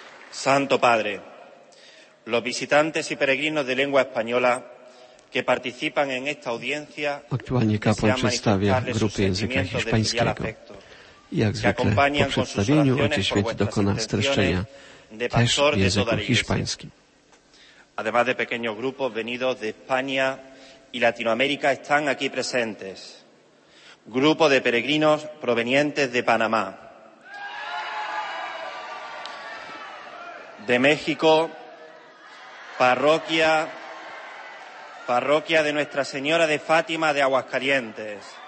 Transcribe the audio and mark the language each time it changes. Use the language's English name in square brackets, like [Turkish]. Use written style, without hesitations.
[Spanish] Santo Padre, los visitantes y peregrinos de lengua española que participan en esta audiencia [Polish] aktualnie kapłan przedstawia grupy języka hiszpańskiego. Jak zwykle po przedstawieniu Ojciec Święty dokona streszczenia też w języku hiszpańskim. [Spanish] Además de pequeños grupos venidos de España y Latinoamérica están aquí presentes. Grupo de peregrinos provenientes de Panamá. De México, parroquia de Nuestra Señora de Fátima de Aguascalientes.